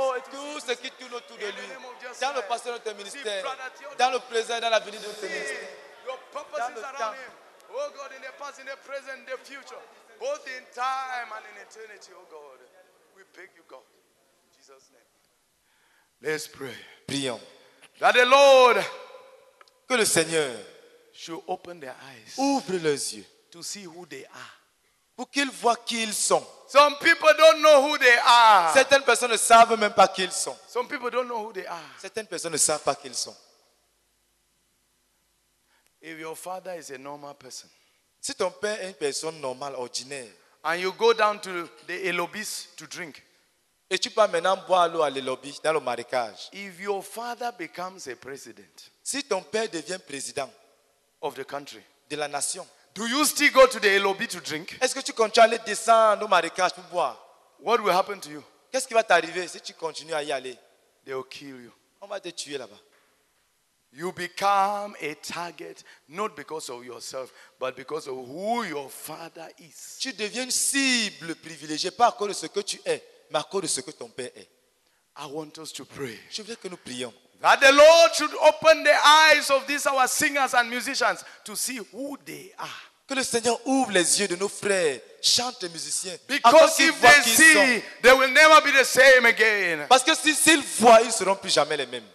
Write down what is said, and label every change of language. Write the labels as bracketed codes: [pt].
[fr] tout ce qui tourne autour de lui, dans le passé de notre ministère, dans le présent, dans l'avenir de notre ministère, dans le temps. [en] Oh God, in the past, in the present, in the future, both in time and in eternity, oh God, we beg you, God, in Jesus' name. Let's pray. [fr] Prions. [en] That the Lord, [fr] que le Seigneur, [en] should open their eyes, [fr] ouvre leurs yeux, [en] to see who they are, [fr] pour qu'ils voient qui ils sont. [en] Some people don't know who they are. [fr] Certaines personnes ne savent même pas qui ils sont. [en] Some people don't know who they are. [fr] Certaines personnes ne savent pas qui ils sont. [en] If your father is a normal person, [fr] si ton père est une personne normale, ordinaire, [en] and you go down to the Elobis to drink, [fr] et tu vas maintenant boire l'eau à l'Elobis dans le marécage. [en] If your father becomes a president, [fr] si ton père devient président [en] of the country, [fr] de la nation, [en] do you still go to the Elobis to drink? [fr] Est-ce que tu continues à aller descendre au marécage pour boire? [en] What will happen to you? [fr] Qu'est-ce qui va t'arriver si tu continues à y aller? [en] They will kill you. [fr] On va te tuer là-bas. [en] You become a target, not because of yourself, but because of who your father is. [fr] Tu deviens une cible privilégiée, pas à cause de ce que tu es, mais à cause de ce que ton père est. [en] I want us to pray. [fr] Je veux que nous prions. [en] That the Lord should open the eyes of these our singers and musicians to see who they are. [fr] Que le Seigneur ouvre les yeux de nos frères, chanteurs, musiciens. [en] Because if they see, they will never be the same again. [fr] Parce que s'ils voient, ils ne seront plus jamais les mêmes.